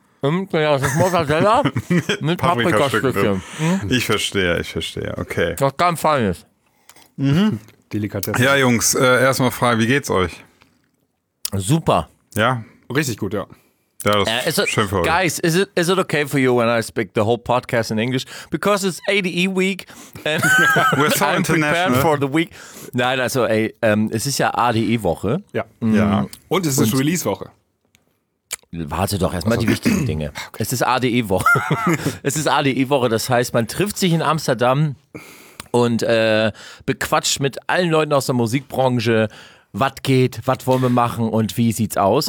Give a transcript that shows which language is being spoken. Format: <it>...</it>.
<de>Ja, das ist Mortadella mit Paprikastückchen. Ich verstehe, okay. Was ganz fein ist. Mhm. Delikatesse. Ja, Jungs, erstmal frei, wie geht's euch? Super. Ja? Richtig gut, ja. Ja, das ist schön für euch.</de> <en>Guys, is it okay for you when I speak the whole podcast in English? Because it's ADE week and we're so international. I'm prepared for the week.</en> <de>Nein, also ey, es ist ja ADE-Woche. Ja. Mhm. Ja. Und es ist Release-Woche. Warte doch erstmal die wichtigen Dinge. Es ist ADE-Woche. Es ist ADE-Woche, das heißt, man trifft sich in Amsterdam und bequatscht mit allen Leuten aus der Musikbranche, was geht, was wollen wir machen und wie sieht's aus.</de>